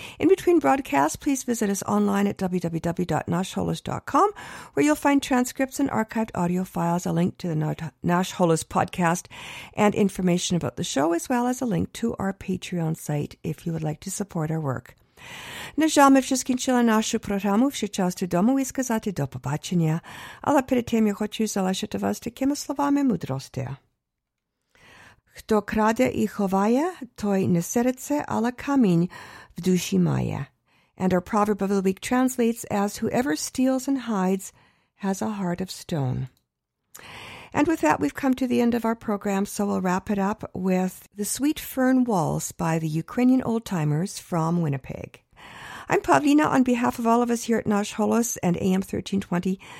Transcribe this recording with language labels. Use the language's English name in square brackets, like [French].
[English] In between broadcasts, please visit us online at www.nashholos.com, where you'll find transcripts and archived audio files, a link to the Nash Holos podcast, and information about the show, as well as a link to our Patreon site if you would like to support our work. [Ukrainian] На жаль, ми вже скінчили нашу програму. Все час додому і сказати до побачення. Але перед тим я хочу залишити вас такими словами мудрості. Хто краде і ховає, той не серце, але камінь в душі має. [English] And our proverb of the week translates as, whoever steals and hides has a heart of stone. And with that, we've come to the end of our program, so we'll wrap it up with The Sweet Fern Waltz by the Ukrainian Old-Timers from Winnipeg. I'm Pavlina, on behalf of all of us here at Nash Holos and AM 1320.